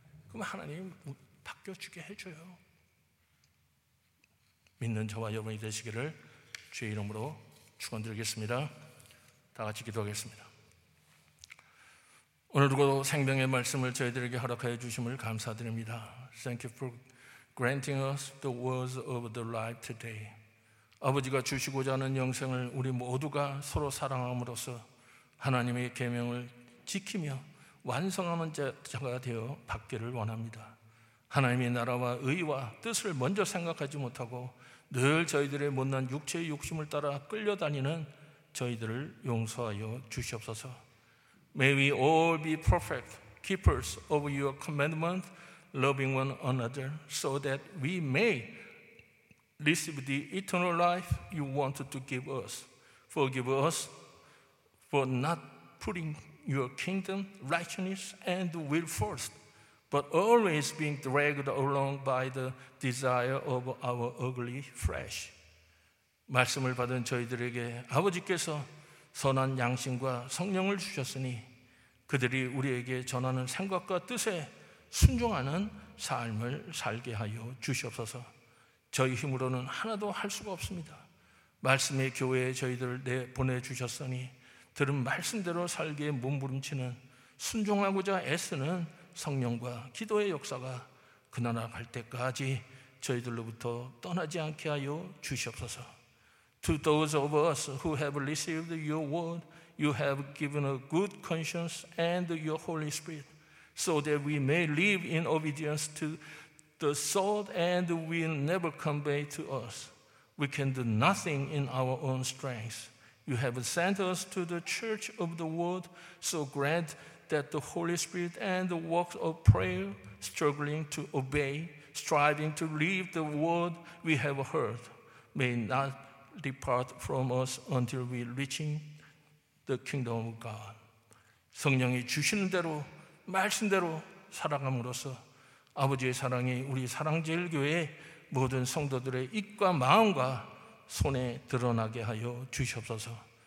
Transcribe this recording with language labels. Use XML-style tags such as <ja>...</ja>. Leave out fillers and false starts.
<ko>그럼 하나님 바뀌어주게 해줘요. 믿는 저와 여러분이 되시기를 주의 이름으로 축원드리겠습니다. 다 같이 기도하겠습니다. 오늘도 생명의 말씀을 저희들에게 허락하여 주심을 감사드립니다.</ko> <en>Thank you for granting us the words of the life today.</en> <ko>아버지가 주시고자 하는 영생을 우리 모두가 서로 사랑함으로써 하나님의 계명을 지키며 완성하는 자가 되어 받기를 원합니다. 하나님의 나라와 의와 뜻을 먼저 생각하지 못하고 늘 저희들의 못난 육체의 욕심을 따라 끌려다니는 저희들을 용서하여 주시옵소서.</ko> <en>May we all be perfect keepers of your commandment, loving one another, so that we may receive the eternal life you wanted to give us. Forgive us for not putting your kingdom, righteousness, and will first, but always being dragged along by the desire of our ugly flesh.</en> <ko>말씀을 받은 저희들에게 아버지께서 선한 양심과 성령을 주셨으니 그들이 우리에게 전하는 생각과 뜻에 순종하는 삶을 살게 하여 주시옵소서. 저희 힘으로는 하나도 할 수가 없습니다. 말씀의 교회에 저희들을 보내주셨으니 들은 말씀대로 살기에 몸부림치는 순종하고자 애쓰는 성령과 기도의 역사가 그 나라 갈 때까지 저희들로부터 떠나지 않게 하여 주시옵소서.</ko> <en>To those of us who have received your word, You have given a good conscience and your Holy Spirit so that we may live in obedience to the sword and will never convey to us. We can do nothing in our own strength. You have sent us to the church of the world, so grant that the Holy Spirit and the works of prayer, struggling to obey, striving to live the word we have heard, may not depart from us until we reaching The kingdom of God.</en> <ko>성령이 주시는 대로 말씀대로 살아감으로써 아버지의 사랑이 우리 사랑제일교회의 모든 성도들의 입과 마음과 손에 드러나게 하여 주시옵소서.</ko>